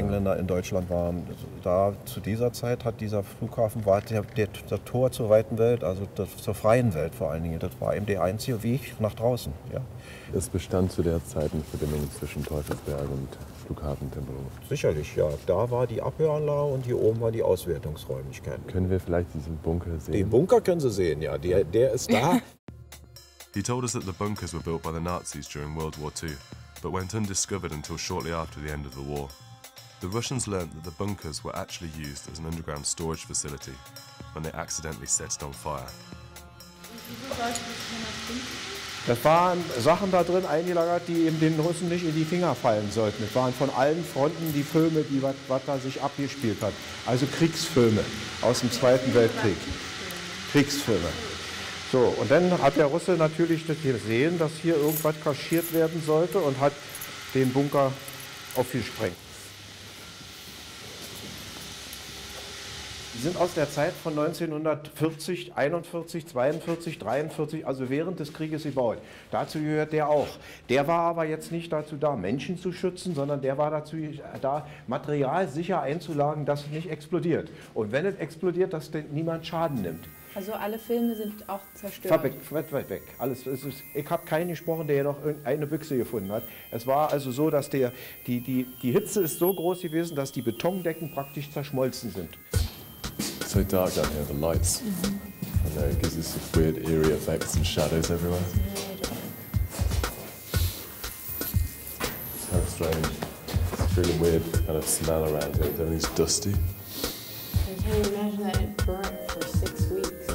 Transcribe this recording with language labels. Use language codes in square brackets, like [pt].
[de] Engländer in Deutschland waren. Da, zu dieser Zeit hat dieser Flughafen war der Tor zur weiten Welt, also das, zur freien Welt vor allen Dingen. Das war eben der einzige Weg nach draußen. Ja. Es bestand zu der Zeit eine Verbindung zwischen Teufelsberg und Flughafen Tempelhof. Sicherlich, ja. Da war die Abhöranlage und hier oben waren die Auswertungsräumlichkeiten. Können wir vielleicht diesen Bunker sehen? Den Bunker können Sie sehen, ja. Der ist da. [en] He told us that the bunkers were built by the Nazis during World War II, but went undiscovered until shortly after the end of the war. The Russians learned that the bunkers were actually used as an underground storage facility when they accidentally set it on fire. [de] Das waren Sachen da drin eingelagert, die eben den Russen nicht in die Finger fallen sollten. Es waren von allen Fronten die Filme, die was da sich abgespielt hat. Also Kriegsfilme aus dem Zweiten Weltkrieg. Kriegsfilme. So, und dann hat der Russe natürlich das gesehen, dass hier irgendwas kaschiert werden sollte und hat den Bunker aufgesprengt. Die sind aus der Zeit von 1940, 41, 42, 43, also während des Krieges gebaut. Dazu gehört der auch. Der war aber jetzt nicht dazu da, Menschen zu schützen, sondern der war dazu da, Material sicher einzulagern, dass es nicht explodiert. Und wenn es explodiert, dass niemand Schaden nimmt. Also alle Filme sind auch zerstört. Weg. Alles. Ich habe keinen gesprochen, der noch eine Büchse gefunden hat. Es war also so, dass die Hitze ist so groß gewesen, dass die Betondecken praktisch zerschmolzen sind. [en] It's so dark down here, the lights. Mm-hmm. know, it gives this weird eerie effects and shadows everywhere. It's kind of strange. It's a really weird kind of smell around here. Everything's dusty. I can't imagine that it burnt for 6 weeks.